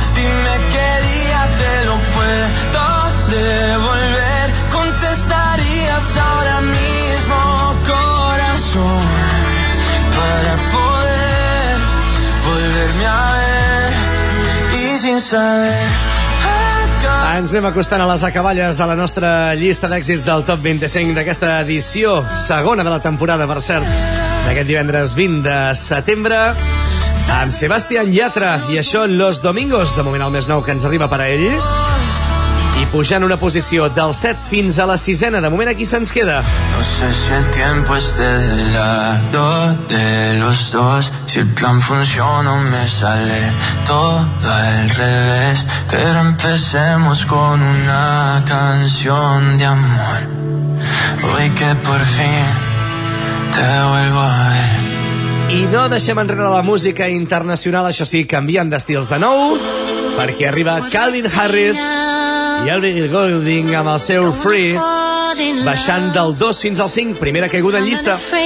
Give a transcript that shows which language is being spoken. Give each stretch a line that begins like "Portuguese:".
Spanish: Dime qué día te lo puedo devolver. Contestarías ahora mismo, corazón, para poder volverme a ver. Y sin saber.
Catalan: Ens anem acostant a les acaballes de la nostra llista d'èxits del Top 25 d'aquesta edició, segona de la temporada, per cert, d'aquest divendres 20 de setembre, amb Sebastián Yatra, i això Los Domingos, de moment el més nou que ens arriba per a ell, i pujant una posició del 7 fins a la 6ena, de moment aquí se'ns queda.
Spanish: No sé si el tiempo esté del lado de los dos. Si el plan funciona o me sale todo al revés. Pero empecemos con una canción de amor. Hoy que por fin te vuelvo a ver.
Catalan: I no deixem enrere la música internacional, això sí, canviant d'estils de nou, perquè arriba Calvin Harris i Avril Golding amb el seu Free, baixant del 2 fins al 5, primera caiguda en llista.